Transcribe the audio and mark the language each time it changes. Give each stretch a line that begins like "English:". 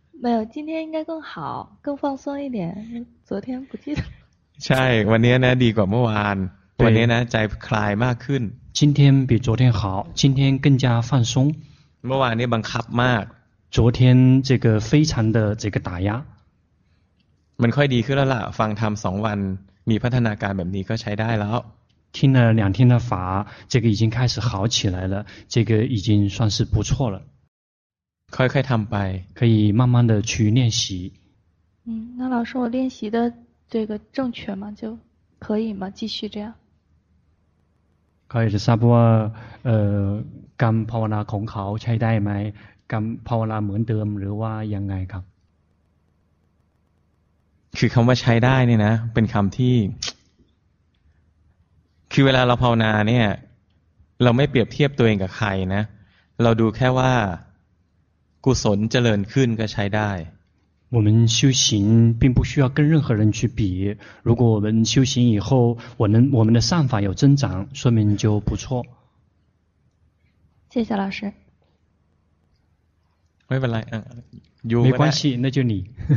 Chinese: 没有今天应该更好更放松一点昨天不记得
Thai: ใช่วันนี้นะดีกว่าเมื่อวานวันนี้นะใจคลายมากขึ้น
Chinese: 今天比昨天好今天更加放松
Thai: เมื่อวานนี้บังคับมาก
Chinese: 昨天这个非常的这个打压
Thai: มันค่อยดีขึ้นแล้วล่ะฟังธรรม2วันมีพัฒนาการแบบนี้ก็ใช้ได้แล้ว
Chinese: 听了两天的法这个已经开始好起来了这个已经算是不错了快快坦白可以慢慢的去练习那老师我练习的这个正确吗就可以吗继续这样可以的差不多刚
Thai: ภาวนาของเขาใช้ได้ไหม刚ภาวนาเหมือนเดิมหรือว่ายังไงครับ คือคำว่าใช้ได้เนี่ยนะเป็นคำที่คือเวลาเราภาวนาเนี่ยเราไม่เปรียบเทียบตัวเองกับใครนะเราดูแค่ว่ากุศลเจริญขึ้นก็ใช้ได้
Chinese: 我们修行并不需要跟任何人去比如果我们修行以后我们的善法有增长说明就不错谢谢老师没问题没关系那就你